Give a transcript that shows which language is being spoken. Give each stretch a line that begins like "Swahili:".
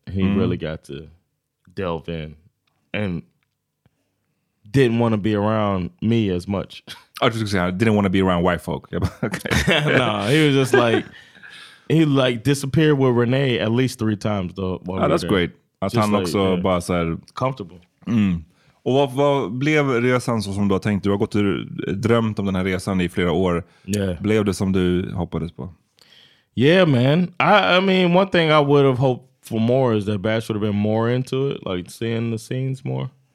English: He really got to delve in and didn't want to be around me as much. I just saying, I didn't want to be around white folk. No, he was just like, he like disappeared with Renee at least 3 times. Though, while that's there. Great.
Swedish: Att han också bara så här...
English: Comfortable.
Swedish: Mm. Och vad blev resan så som du har tänkt? Du har gått och drömt om den här resan I flera år.
English: Yeah.
Swedish: Blev det som du hoppades på?
English: Yeah, man. I mean, one thing I would have hoped for more is that Bash would have been more into it. Like, seeing the scenes more.